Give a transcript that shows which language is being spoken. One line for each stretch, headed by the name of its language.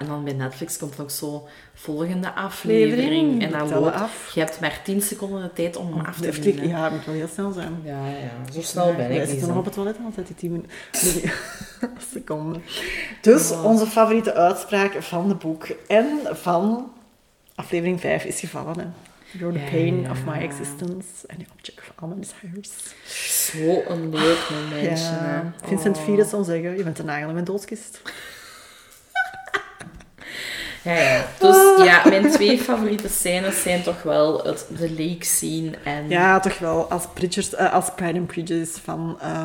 Dutch: En dan bij Netflix komt er ook zo volgende aflevering. En dan loopt, af. Je hebt maar 10 seconden de tijd om af te vinden. Ja, het moet wel heel snel zijn. Ja, ja. Zo snel ben ik niet. Wij zitten nog op het toilet, altijd die 10 minuten. Seconden. Dus, onze favoriete uitspraak van de boek en van aflevering 5 is gevallen, hè.
English: You're the pain of my existence and the object of all my desires.
Dutch: Zo een leuk momentje. Ja. Vincent Fierens zal zeggen, je bent een nagel in mijn doodskist. Ja, ja. Dus ja, mijn twee favoriete scènes zijn toch wel het The Lake scene en... Ja, toch wel. Als, als Pride and Prejudice van...